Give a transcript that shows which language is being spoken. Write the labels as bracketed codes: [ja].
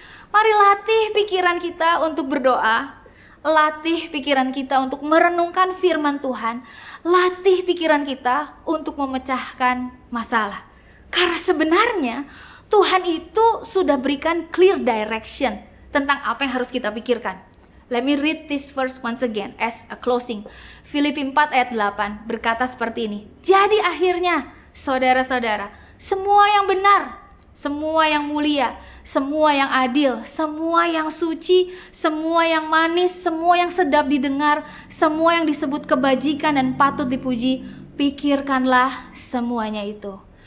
[id] Mari latih pikiran kita untuk berdoa. Latih pikiran kita untuk merenungkan firman Tuhan. Latih pikiran kita untuk memecahkan masalah. Karena sebenarnya Tuhan itu sudah berikan [en] clear direction [id] tentang apa yang harus kita pikirkan. [en] Let me read this verse once again as a closing. [id] Filipi 4 ayat 8 berkata seperti ini. Jadi akhirnya, saudara-saudara, semua yang benar, semua yang mulia, semua yang adil, semua yang suci, semua yang manis, semua yang sedap didengar, semua yang disebut kebajikan dan patut dipuji, pikirkanlah semuanya itu.